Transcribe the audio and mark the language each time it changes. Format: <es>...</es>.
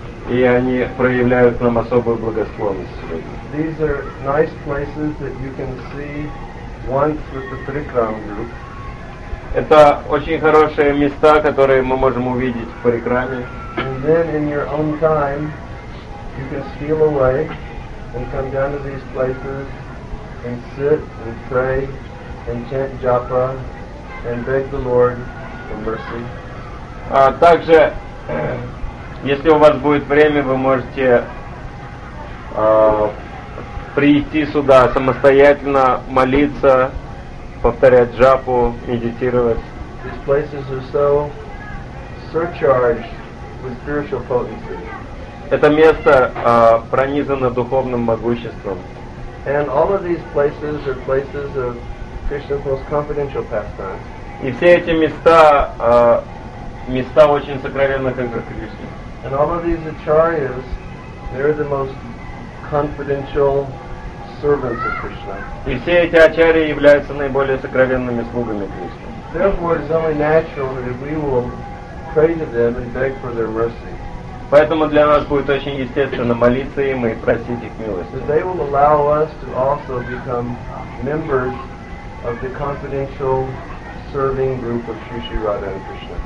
<ru>И они проявляют нам особую благосклонность.</ru> <en>These are nice places that you can see once with the three crown group.</en> <ru>Это очень хорошие места, которые мы можем увидеть в Парикраме.</ru> <en>And then in your own time, you can steal away and come down to these places and sit and pray and chant japa and beg the Lord for mercy.</en> <ru>Также, если у вас будет время, вы можете прийти сюда самостоятельно, молиться, повторять джапу, медитировать.</ru> <en>These places are so surcharged with spiritual potency.</en> <ru>Это место пронизано духовным могуществом.</ru> <en>And all of these places are places of Krishna's most confidential pastime.</en> <ru>И все эти места места очень сокровенных игр Кришны.</ru> <en>And all of these acharyas, they're the most confidential servants of Krishna.</en> <ru>И все эти ачарьи являются наиболее сокровенными слугами Кришны.</ru> <en>Therefore, it's only natural that we will pray to them and beg for their mercy.</en> <ru>Поэтому для нас будет очень естественно молиться им и просить их милости.</ru> <en>That they will allow us to also become members of the confidential serving group of Sri Sri Radha and Krishna.</en>